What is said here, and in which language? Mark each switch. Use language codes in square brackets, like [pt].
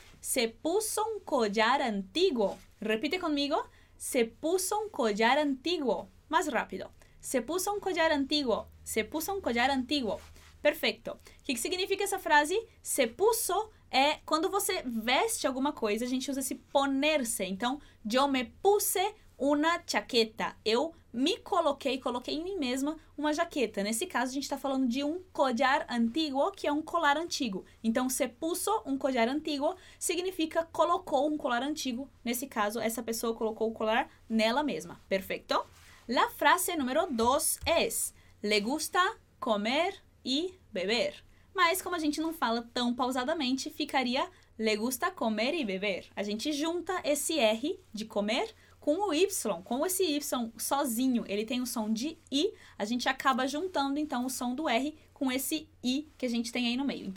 [es] Se puso un collar antiguo. Repite conmigo. Se puso un collar antiguo. Más rápido. Se puso un collar antiguo. Se puso un collar antiguo. Perfecto. ¿Qué significa esa frase? [pt] Se puso é quando você veste alguma coisa, a gente usa esse ponerse. Então, [es] yo me puse una chaqueta. [pt] Eu me coloquei em mim mesma uma jaqueta. Nesse caso, a gente está falando de um collar antigo, que é um colar antigo. Então, se puso un collar antiguo, significa colocou um colar antigo. Nesse caso, essa pessoa colocou o colar nela mesma. Perfeito? [es] La frase número 2 es, le gusta comer y beber. [pt] Mas, como a gente não fala tão pausadamente, ficaria [es] le gusta comer y beber. [pt] A gente junta esse R de comer com o Y, com esse Y sozinho, ele tem o som de I, a gente acaba juntando, então, o som do R com esse I que a gente tem aí no meio.